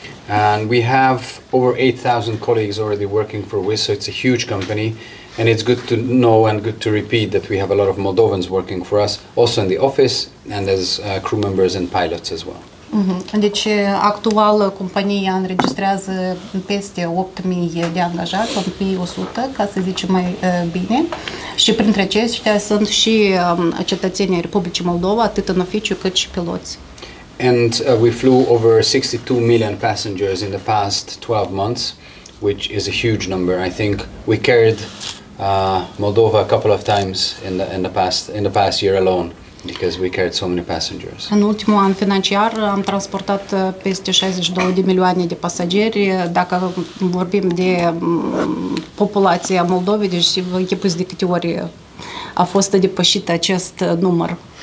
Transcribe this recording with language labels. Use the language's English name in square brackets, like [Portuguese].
[English] And we have over 8,000 colleagues already working for Wizz, so it's a huge company, and it's good to know and good to repeat that we have a lot of Moldovans working for us also in the office and as crew members and pilots as well. [Romanian] Deci, actual, compania înregistrează peste 8.000 de angajați, 8.100, ca să zicem mai bine. Și printre aceștia sunt și cetățenii Republicii Moldova, atât în oficiu cât și piloți. [English] And we flew over 62 million passengers in the past 12 months, which is a huge number. I think we carried Moldova a couple of times in the past year alone. Because we carried so many passengers. [Romanian] În ultimul an financiar am transportat peste 62 de milioane de pasageri. Dacă vorbim de populația Moldovei, deci vă închipuiți de câte ori a fost depășit acest număr.